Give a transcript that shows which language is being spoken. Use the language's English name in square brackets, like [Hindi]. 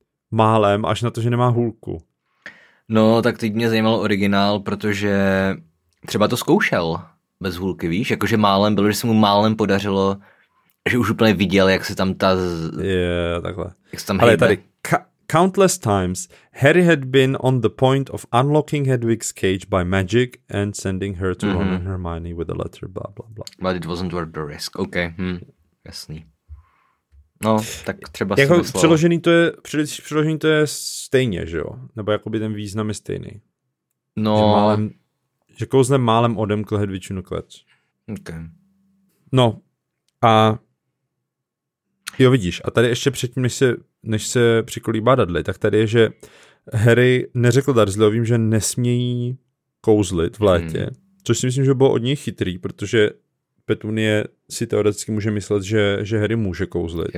[Czech] Málem, až na to, že nemá hůlku. No, tak teď mě zajímal originál, protože třeba to zkoušel bez hůlky, víš? Jakože málem bylo, že se mu málem podařilo, že už úplně viděl, jak se tam ta... Takhle. Jak se tam hejbe. Ale tady... [English] Countless times, Harry had been on the point of unlocking Hedwig's cage by magic and sending her to Ron and Hermione with a letter, blah, blah, blah. But it wasn't worth the risk. [Czech] OK, jasný. No, tak třeba jako si myslel. Přeložený to je stejně, že jo? Nebo jakoby ten význam je stejný. No. Že kouzlem málem odemkl Hedvičinu klec. OK. No, a... Jo, vidíš, a tady ještě předtím, než se přikolíbá Dudley, tak tady je, že Harry neřekl Dursleyovým, že nesmějí kouzlit v létě, což si myslím, že bylo od něj chytrý, protože Petunie si teoreticky může myslet, že Harry může kouzlit.